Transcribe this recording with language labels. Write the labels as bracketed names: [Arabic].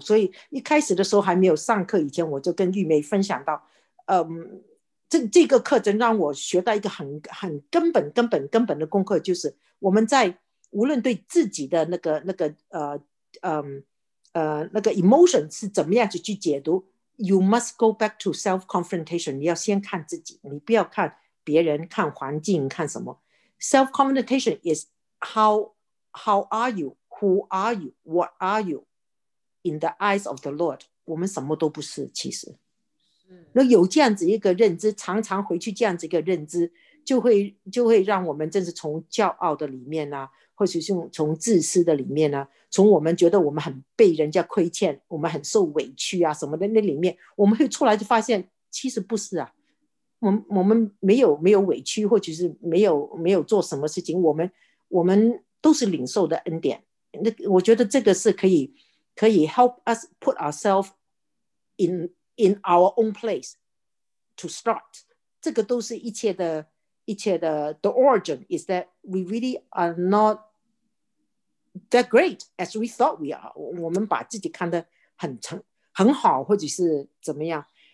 [Chinese] 所以一开始的时候还没有上课以前，我就跟玉梅分享到，这个课程让我学到一个 很根本的功课，就是我们在无论对自己的那个 emotion 是怎么样子去解读， [English] you must go back to self confrontation， [Chinese] 你要先看自己，你不要看别人看环境看什么。 [English] self confrontation is how are you, who are you, what are you in the eyes of the Lord， [Chinese] 我们什么都不是其实。那有这样子一个认知，常常回去这样子一个认知，就会让我们真是从骄傲的里面啊，或者是从自私的里面啊，从我们觉得我们很被人家亏欠，我们很受委屈啊什么的，那里面我们会出来就发现其实不是啊，我们没有委屈，或者是没有做什么事情，我们都是领受的恩典。那我觉得这个是可以 [English] help us put ourselves in our own place to start. [Chinese] 这个都是一切的 [English] the origin is that we really are not that great as we thought we are. [Chinese] 我们把自己看得很好或者是怎么样。